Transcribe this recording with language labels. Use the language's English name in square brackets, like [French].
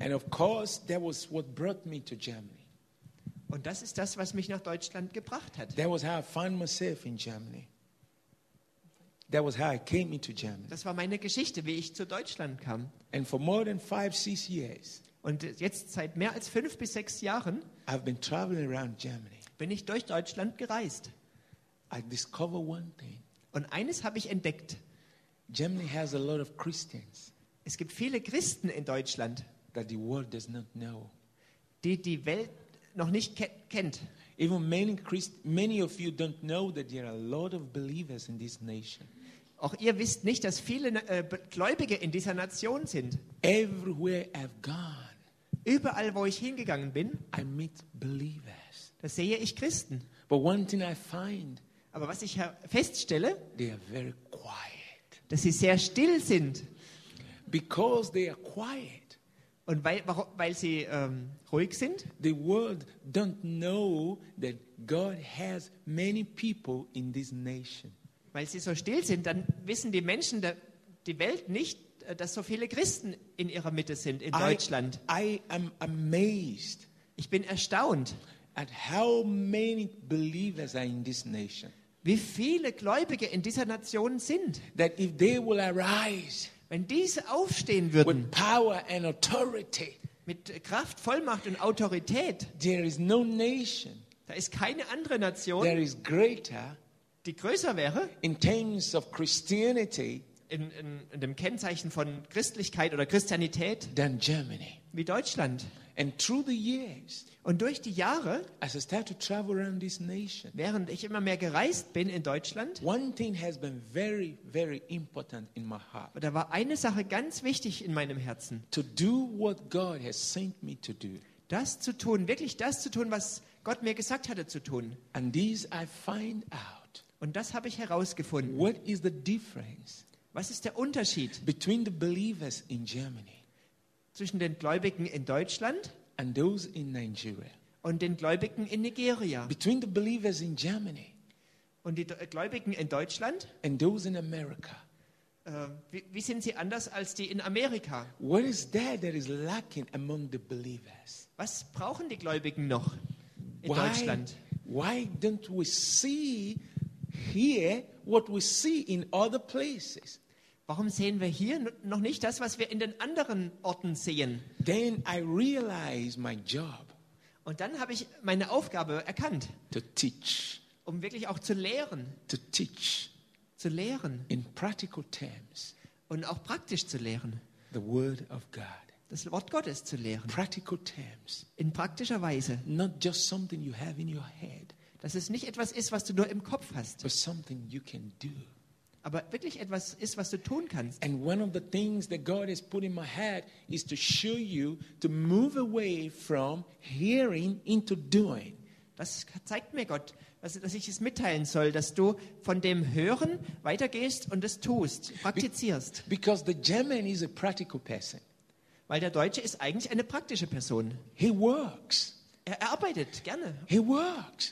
[English] And of course, that was what brought me to Germany. [German] Und das ist das, was mich nach Deutschland gebracht hat. [English] That was how I found myself in Germany. That was how I came into Germany. [German] Das war meine Geschichte, wie ich zu Deutschland kam. [English] And for more than 5-6 years. [German] Und jetzt seit mehr als 5 bis 6 Jahren. [English] I've been traveling around Germany. [German] Bin ich durch Deutschland gereist. [English] I discovered one thing. [German] Und eines habe ich entdeckt. [English] Germany has a lot of Christians. [German] Es gibt viele Christen in Deutschland. [English] That the world does not know. [German] Die Welt noch nicht kennt. [English] Even many of you don't know that there are a lot of believers in this nation. [German] Auch ihr wisst nicht, dass viele Gläubige in dieser Nation sind. [English] Everywhere I've gone. [German] Überall, wo ich hingegangen bin, [English] I meet believers. [German] Da sehe ich Christen. [English] But one thing I find. [German] Aber was ich feststelle, [English] they are very quiet. [German] Dass sie sehr still sind. [English] Because they are quiet. [German] Und weil sie ruhig sind, [English] the world don't know that God has many people in this nation. [German] Weil sie so still sind, dann wissen die Menschen die Welt nicht, dass so viele Christen in ihrer Mitte sind in Deutschland. [English] I am amazed. [German] Ich bin erstaunt. [English] At how many believers are in this nation. [German] Wie viele Gläubige in dieser Nation sind. [English] That if they will arise. [German] Wenn diese aufstehen würden, [English] power and authority, [German] mit Kraft, Vollmacht und Autorität, [English] there is no nation, [German] da ist keine andere Nation, [English] there is greater, [German] die größer wäre, [English] in terms of Christianity, [German] in dem Kennzeichen von Christlichkeit oder Christianität, [English] than Germany. [German] Wie Deutschland. [English] And through the years, [German] und durch die Jahre, [English] as I started to travel around this nation, [German] während ich immer mehr gereist bin in Deutschland, [English] one thing has been very, very important in my heart. [German] Da war eine Sache ganz wichtig in meinem Herzen. [English] To do what God has sent me to do. [German] Das zu tun, wirklich das zu tun, was Gott mir gesagt hatte zu tun. [English] And this I find out. [German] Und das habe ich herausgefunden. [English] What is the difference? [German] Was ist der Unterschied [English] between the believers in Germany? [German] zwischen den Gläubigen in Deutschland [English] and those in Nigeria. [German] Und den Gläubigen in Nigeria. [English] Between the believers in Germany [German] und die Gläubigen in Deutschland [English] and those in America. [German] Wie sind sie anders als die in Amerika? [English] What is there that is lacking among the believers? [German] Was brauchen die Gläubigen noch in Deutschland? [English] Why don't we see here what we see in other places? [German] Warum sehen wir hier noch nicht das, was wir in den anderen Orten sehen? [English] Then I realize my job. [German] Und dann habe ich meine Aufgabe erkannt. [English] To teach. [German] Um wirklich auch zu lehren. [English] To teach. [German] Zu lehren. [English] In practical terms. [German] Und auch praktisch zu lehren. [English] The word of God. [German] Das Wort Gottes zu lehren. [English] Practical terms. [German] In praktischer Weise. [English] Not just something you have in your head. [German] Dass es nicht etwas ist, was du nur im Kopf hast. [English] But something you can do. [German] Aber wirklich etwas ist, was du tun kannst. [English] And one of the things that God has put in my head is to show you to move away from hearing into doing. [German] Das zeigt mir Gott, dass ich es mitteilen soll, dass du von dem Hören weitergehst und es tust, praktizierst. [English] Because the German is a practical person. [German] Weil der Deutsche ist eigentlich eine praktische Person. [English] He works. [German] Er arbeitet gerne. [English] He works.